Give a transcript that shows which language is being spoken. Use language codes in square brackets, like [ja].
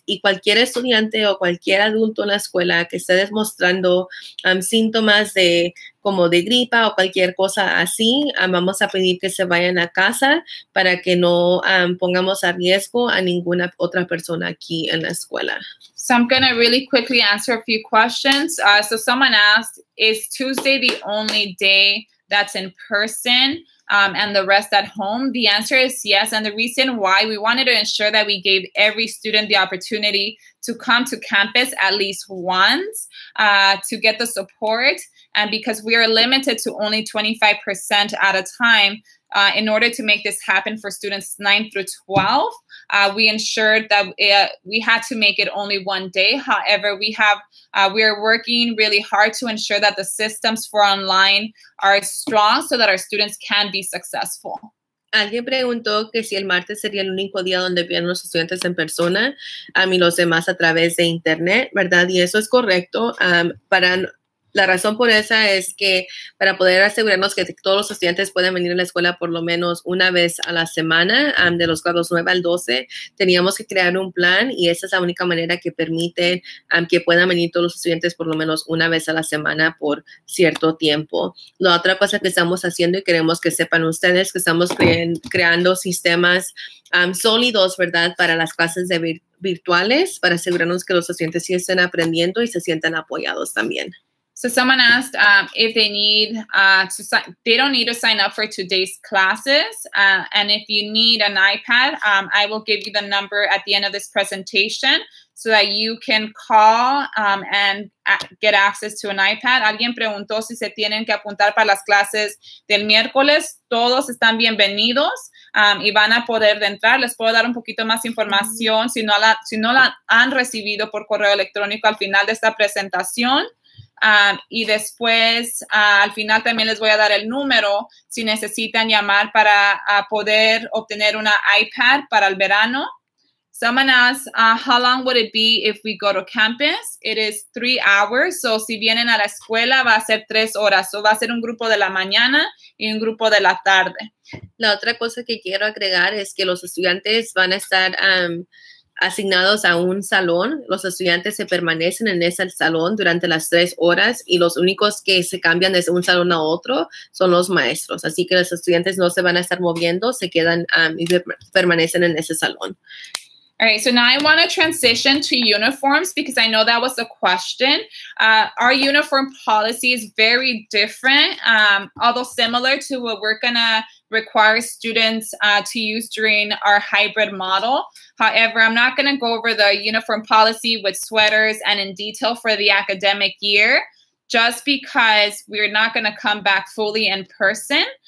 [es] Y cualquier estudiante o cualquier adulto en la escuela que esté demostrando síntomas de como de gripa o cualquier cosa así, vamos a pedir que se vayan a casa para que no pongamos a riesgo a ninguna otra persona aquí en la escuela. [en] So I'm going to really quickly answer a few questions. So someone asked, is Tuesday the only day that's in person and the rest at home? The answer is yes. And the reason why, we wanted to ensure that we gave every student the opportunity to come to campus at least once to get the support. And because we are limited to only 25% at a time, in order to make this happen for students 9 through 12, we ensured that we had to make it only one day. However, we are working really hard to ensure that the systems for online are strong so that our students can be successful. [es] Alguien preguntó que si el martes sería el único día donde vienen los estudiantes en persona y los demás a través de internet, ¿verdad? Y eso es correcto. La razón por esa es que para poder asegurarnos que todos los estudiantes puedan venir a la escuela por lo menos una vez a la semana, de los grados 9 al 12, teníamos que crear un plan, y esa es la única manera que permite que puedan venir todos los estudiantes por lo menos una vez a la semana por cierto tiempo. La otra cosa que estamos haciendo, y queremos que sepan ustedes, que estamos creando sistemas sólidos, ¿verdad?, para las clases de virtuales, para asegurarnos que los estudiantes sí estén aprendiendo y se sientan apoyados también. [en] So someone asked if they need they don't need to sign up for today's classes. And if you need an iPad, I will give you the number at the end of this presentation so that you can call and get access to an iPad. [es] Alguien preguntó si se tienen que apuntar para las clases del miércoles. Todos están bienvenidos y van a poder entrar. Les puedo dar un poquito más información si no la han recibido por correo electrónico al final de esta presentación. Y después, al final también les voy a dar el número si necesitan llamar para poder obtener una iPad para el verano. [en] Someone asked, how long would it be if we go to campus? It is 3 hours. [es] So si vienen a la escuela, va a ser 3 horas. So va a ser un grupo de la mañana y un grupo de la tarde. La otra cosa que quiero agregar es que los estudiantes van a estar asignados a un salón. Los estudiantes se permanecen en ese salón durante las 3 horas, y los únicos que se cambian desde un salón a otro son los maestros. Así que los estudiantes no se van a estar moviendo, se quedan y permanecen en ese salón. [en] All right, so now I want to transition to uniforms because I know that was a question. Our uniform policy is very different, although similar to what we're going to require students to use during our hybrid model. However, I'm not going to go over the uniform policy with sweaters and in detail for the academic year, just because we're not going to come back fully in person.